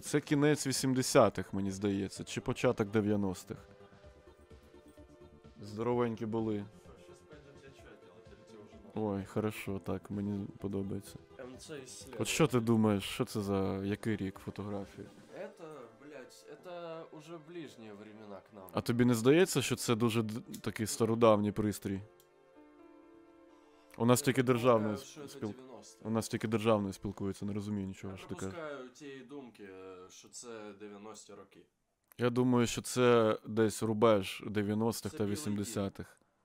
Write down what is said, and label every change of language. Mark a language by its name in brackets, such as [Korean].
[Ukrainian] Це кінець 80-х, мені здається. Чи початок 90-х. Здоровенькі були. Ой, хорошо, так, мені подобається. От що ти думаєш, що це за, який рік фотографії? [Russian] Это, блядь, это уже ближнє времена к нам. [Ukrainian] А тобі не здається, що це дуже такий стародавній пристрій? У нас тільки державний спілкується. У нас тільки державний спілкується, не розумію нічого, що таке. Я пропускаю тієї думки, що це 90-ті роки. Я думаю, що це десь рубеж 90-х та 80-х.